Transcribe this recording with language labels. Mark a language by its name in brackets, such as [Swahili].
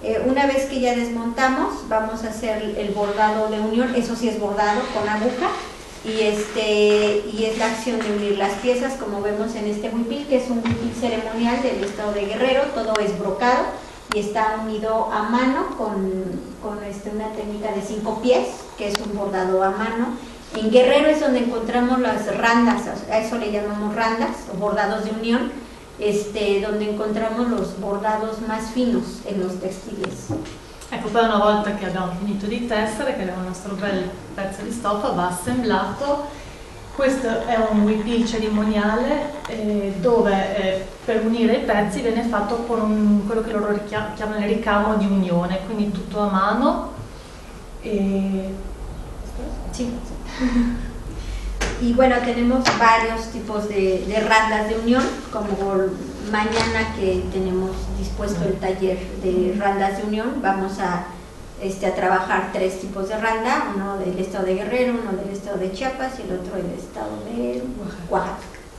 [Spanish] Una vez que ya desmontamos, vamos a hacer el bordado de unión, eso sí es bordado con aguja, y es la acción de unir las piezas, como vemos en este huipil, que es un huipil ceremonial del estado de Guerrero, todo es brocado y está unido a mano con una técnica de cinco pies, que es un bordado a mano. En Guerrero es donde encontramos las randas, a eso le llamamos randas o bordados de unión, donde encontramos los bordados más finos en los textiles. [Italian] Ecco, poi una volta che abbiamo finito di tessere, che abbiamo il nostro bel pezzo di stoffa, va assemblato. Questo è un huipil cerimoniale dove per unire i pezzi viene fatto con quello che loro chiamano il ricamo di unione, quindi tutto a mano. Sì. [Spanish] Y bueno, tenemos varios tipos de randas de unión, como mañana que tenemos dispuesto el taller de randas de unión, vamos a trabajar tres tipos de randa, uno del estado de Guerrero, uno del estado de Chiapas y el otro del estado de Oaxaca.